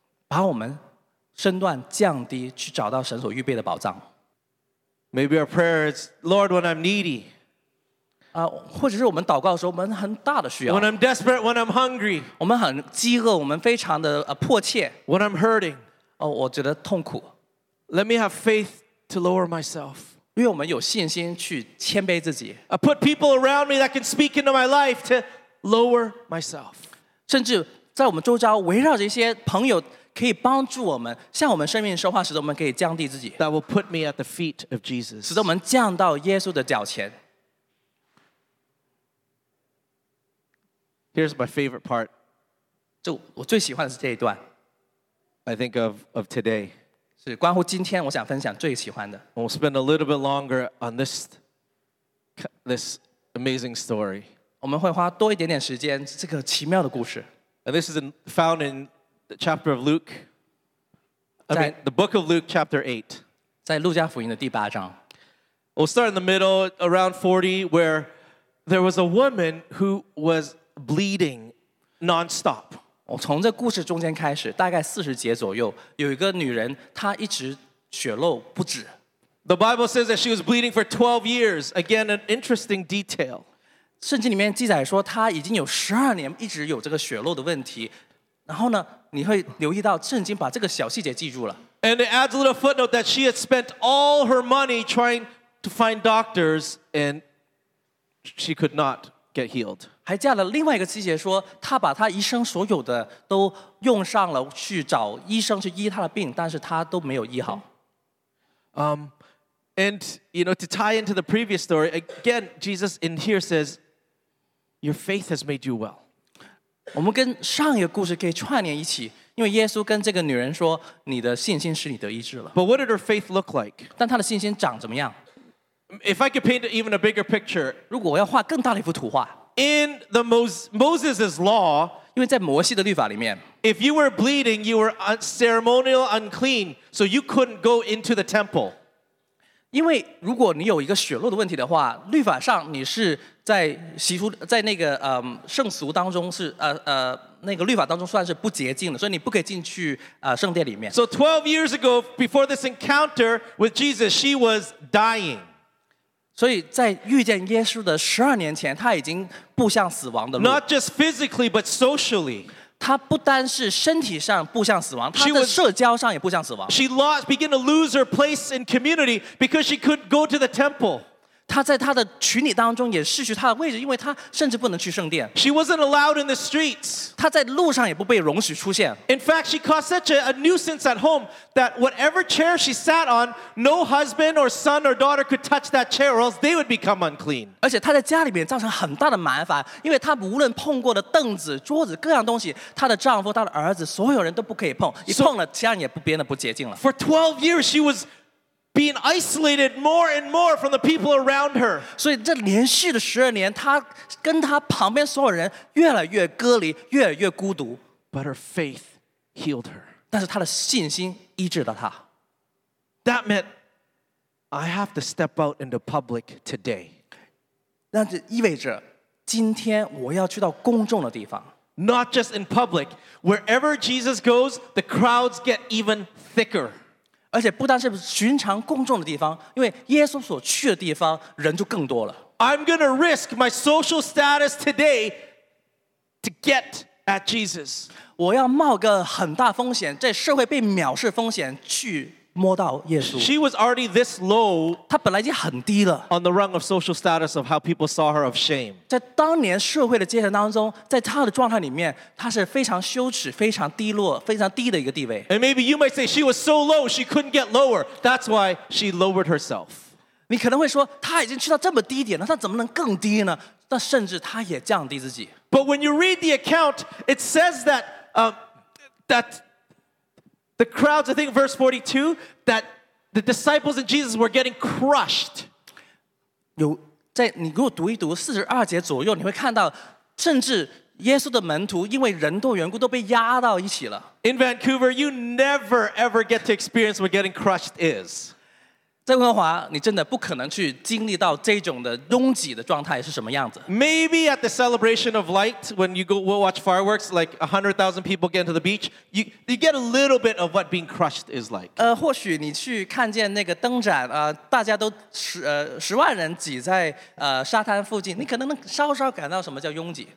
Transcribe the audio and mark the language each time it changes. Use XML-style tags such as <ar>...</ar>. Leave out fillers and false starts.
<zh>把我们身段降低，去找到神所预备的宝藏。</zh> <en>Maybe our prayer is, Lord, when I'm needy.</en> <zh>或者是我们祷告的时候，我们很大的需要。</zh> <en>When I'm desperate, when I'm hungry,</en> <zh>我们很饥饿，我们非常的迫切。</zh> <en>When I'm hurting,</en> <zh>我觉得痛苦。</zh> <en>Let me have faith to lower myself.</en> <zh>因为我们有信心去谦卑自己。</zh> <en>I put people around me that can speak into my life to lower myself.</en> <zh>甚至在我们周遭围绕着一些朋友，可以帮助我们向我们生命说话，使得我们可以降低自己。</zh> <en>That will put me at the feet of Jesus.</en> <zh>使得我们降到耶稣的脚前。</zh> <en>Here's my favorite part.</en> <zh>就我最喜欢的是这一段。</zh> <en>I think of today.</en> <zh>是关乎今天，我想分享最喜欢的。</zh> <en>We'll spend a little bit longer on this amazing story.</en> <zh>我们会花多一点点时间这个奇妙的故事。</zh> <en>And this is found in the chapter of Luke. The book of Luke, chapter 8.</en> <zh>在路加福音的第八章。</zh> <en>We'll start in the middle, around 40, where there was a woman who was... bleeding nonstop.</en> <zh>我从这故事中间开始，大概四十节左右，有一个女人，她一直血漏不止。</zh> <en>The Bible says that she was bleeding for 12 years. Again, an interesting detail.</en> <zh>圣经里面记载说，她已经有十二年一直有这个血漏的问题。然后呢，你会留意到圣经把这个小细节记住了。</zh> <en>And it adds a little footnote that she had spent all her money trying to find doctors, and she could not get healed.</en> <zh>还加了另外一个细节，说他把他一生所有的都用上了去找医生去医他的病，但是他都没有医好。</zh> <en>And you know, to tie into the previous story, again, Jesus in here says, "Your faith has made you well."</en> <zh>我们跟上一个故事可以串联一起，因为耶稣跟这个女人说，你的信心使你得医治了。</zh> <en>But what did her faith look like?</en> <zh>但她的信心长怎么样？</zh> <en>If I could paint even a bigger picture,</en> <zh>如果我要画更大的一幅图画。</zh> <en>In the Moses's law,</en> <zh>因为在摩西的律法里面,</zh> <en>if you were bleeding, you were ceremonial unclean, so you couldn't go into the temple.</en> <zh>因为如果你有一个血漏的问题的话，律法上你是在习俗在那个圣俗当中是那个律法当中算是不洁净的，所以你不可以进去圣殿里面。</zh> <en>So 12 years ago, before this encounter with Jesus, she was dying.</en> <zh>所以在遇见耶稣的十二年前，他已经步向死亡的路。</zh> <en>Not just physically, but socially.</en> <zh>他不单是身体上步向死亡，他的社交上也步向死亡。</zh> <en>She lost, began to lose her place in community because she couldn't go to the temple.</en> <zh>他在他的群体当中也失去他的位置，因为他甚至不能去圣殿。</zh> <en>She wasn't allowed in the streets.</en> <zh>他在路上也不被容许出现。</zh> <en>In fact, she caused such a nuisance at home that whatever chair she sat on, no husband or son or daughter could touch that chair or else they would become unclean.</en> <zh>而且他在家里面造成很大的麻烦，因为他无论碰过的凳子、桌子、各样东西，他的丈夫、他的儿子，所有人都不可以碰，一碰了，家也不变得不洁净了。</zh> <en>For 12 years, she was... being isolated more and more from the people around her.</en> <zh>所以这连续的十二年，她跟她旁边所有人越来越隔离，越来越孤独。</zh> <en>But her faith healed her.</en> <zh>但是她的信心医治了她。</zh> <en>That meant I have to step out into public today.</en> <zh>那就意味着今天我要去到公众的地方。</zh> <en>Not just in public. Wherever Jesus goes, the crowds get even thicker.</en> <zh>而且不单是寻常公众的地方，因为耶稣所去的地方人就更多了。</zh> <en>I'm going to risk my social status today to get at Jesus.</en> <zh>我要冒个很大风险，这社会被藐视风险去摸到耶稣。</zh> <en>She was already this low.</en> <zh>她本来已经很低了。</zh> <en>On the rung of social status of how people saw her of shame.</en> <zh>在当年社会的阶层当中，在她的状态里面，她是非常羞耻、非常低落、非常低的一个地位。</zh> <en>And maybe you might say she was so low she couldn't get lower. That's why she lowered herself.</en> <zh>你可能会说，她已经去到这么低点了，她怎么能更低呢？那甚至她也降低自己。</zh> <en>But when you read the account, it says that that the crowds, I think verse 42, that the disciples and Jesus were getting crushed.</en> <zh>有在你给我读一读四十二节左右，你会看到，甚至耶稣的门徒因为人多缘故都被压到一起了。</zh> <en>In Vancouver, you never ever get to experience what getting crushed is.</en> <zh>在温哥华，你真的不可能去经历到这种的拥挤的状态是什么样子。</zh> <en>Maybe at the celebration of light, when you go watch fireworks, like 100,000 people get to the beach, you get a little bit of what being crushed is like.</en> <zh>或许你去看见那个灯展，大家都十万人挤在沙滩附近，你可能能稍稍感到什么叫拥挤。</zh>